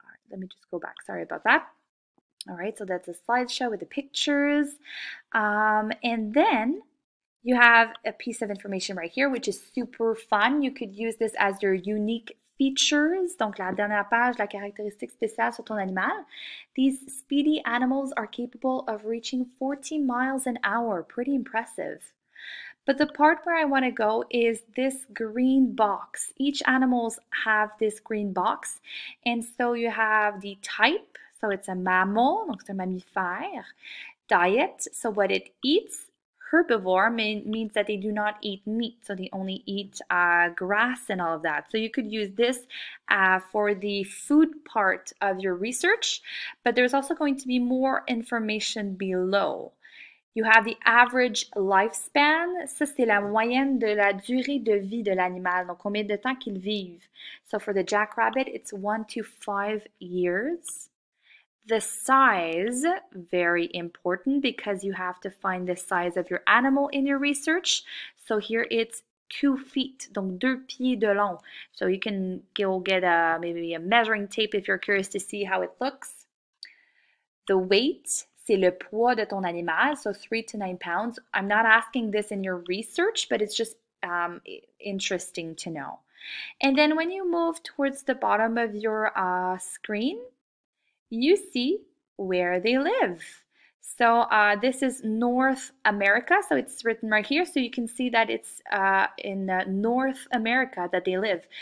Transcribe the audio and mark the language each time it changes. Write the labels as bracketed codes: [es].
[en] Let me just go back. Sorry about that. All right, so that's a slideshow with the pictures. And then you have a piece of information right here, which is super fun. You could use this as your unique features. [fr] Donc la dernière page, la caractéristique spéciale sur ton animal. [en] These speedy animals are capable of reaching 40 miles an hour. Pretty impressive. But the part where I want to go is this green box. Each animals have this green box. And so you have the type. So it's a mammal, [fr] donc c'est un mammifère. [en] Diet, so what it eats, herbivore, means that they do not eat meat. So they only eat grass and all of that. So you could use this for the food part of your research. But there's also going to be more information below. You have the average lifespan. [fr] Ça, c'est la moyenne de la durée de vie de l'animal. Donc, combien de temps qu'il vive. [en] So for the jackrabbit, it's 1 to 5 years. The size, very important because you have to find the size of your animal in your research. So here it's 2 feet, [fr] donc 2 pieds de long. [en] So you can go get maybe a measuring tape if you're curious to see how it looks. The weight, [fr] C'est le poids de ton animal, [en] so 3 to 9 pounds. I'm not asking this in your research, but it's just interesting to know. And then when you move towards the bottom of your screen, you see where they live. So this is North America, so it's written right here, so you can see that it's in North America that they live.